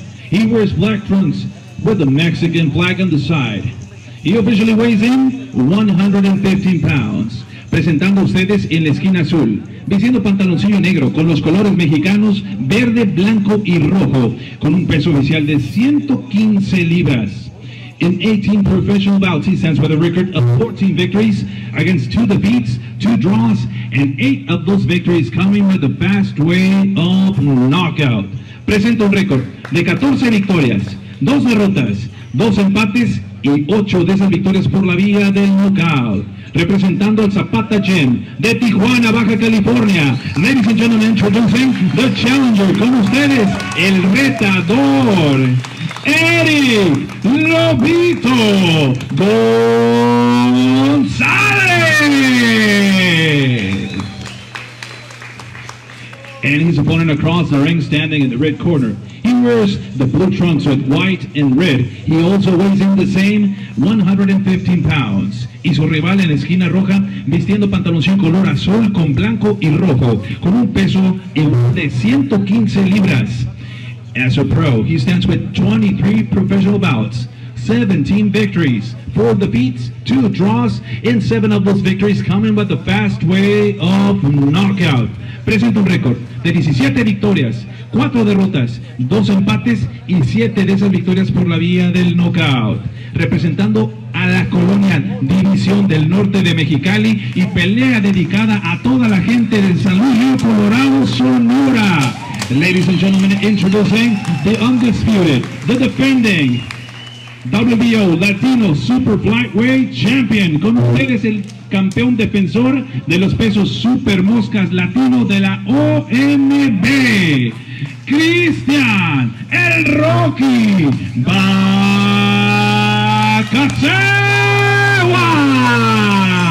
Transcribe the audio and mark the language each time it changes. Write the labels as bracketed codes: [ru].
[en] He wears black trunks with a Mexican flag on the side. He officially weighs in 115 pounds. [es] Presentando a ustedes en la esquina azul, vistiendo pantaloncillo negro con los colores mexicanos verde, blanco y rojo, con un peso oficial de 115 libras. [en] In 18 professional bouts, he stands with a record of 14 victories against 2 defeats, 2 draws, and 8 of those victories coming with the fast way of knockout. [es] Presenta un récord de 14 victorias, 2 derrotas, 2 empates y 8 de esas victorias por la vía del knockout. Representando al Zapata Gym de Tijuana, Baja California. [en] Ladies and gentlemen, introducing the challenger. [es] Con ustedes, el retador, [en] Eric Lobito González. And his opponent across the ring, standing in the red corner. He wears the blue trunks with white and red. He also weighs in the same 115 pounds. [es] Y su rival en la esquina roja, vistiendo pantaloncillo color azul con blanco y rojo, con un peso de 115 libras. [en] As a pro, he stands with 23 professional bouts, 17 victories, 4 defeats, 2 draws, and 7 of those victories coming with the fast way of knockout. [es] Presenta un récord de 17 victorias, 4 derrotas, 2 empates y 7 de esas victorias por la vía del knockout. Representando a la colonia División del Norte de Mexicali y pelea dedicada a toda la gente de San Luis Río Colorado, Sonora. [en] Ladies and gentlemen, introducing the undisputed, the defending WBO Latino Super Flyweight Champion. [es] Con ustedes, el campeón defensor de los pesos Super Moscas Latino de la OMB, Cristian El Rocky Bacachewa.